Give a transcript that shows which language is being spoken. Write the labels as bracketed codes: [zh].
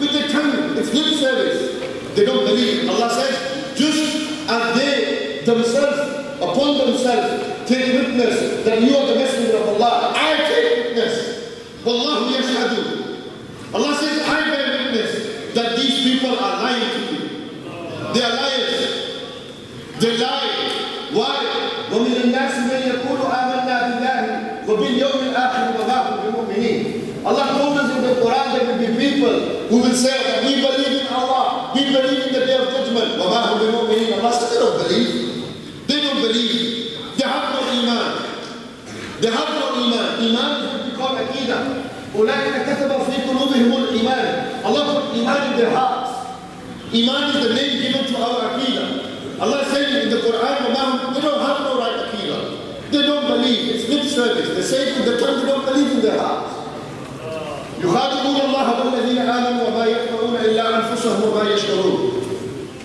[en] With the tongue, it's lip service. They don't believe. Allah says, just as they themselves, upon themselves, take witness that you are the messenger of Allah, I take witness. [ar] Wallahu yashhadu. [en] Allah says, I bear witness that these people are lying to you. They are liars. They lie. Why? [ar] ومن الناس من يقول آمنا بالله وباليوم الآخر وما هم بمؤمنين. [en] Allah told us in the Quran there will be people who will say that we believe in Allah, we believe in the Day of Judgment. [ar] وما هم بمؤمنين. [en] Allah said they don't believe. They don't believe. They have no iman. They have no iman. Iman is what we call aqidah. [ar] أولئك كتب في قلوبهم الإيمان. [en] Allah put iman in their hearts. Iman is the name given to our aqidah. Allah said in the Quran, they don't have no right aqeedah. They don't believe. It's lip service. They say in the tongue, they don't believe in their hearts. [ar] يُخَادِعُونَ اللَّهَ وَالَّذِينَ آمَنُوا وَمَا يَفْعَلُونَ إِلَّا أَنفُسَهُمْ وَمَا يَشْعُرُونَ.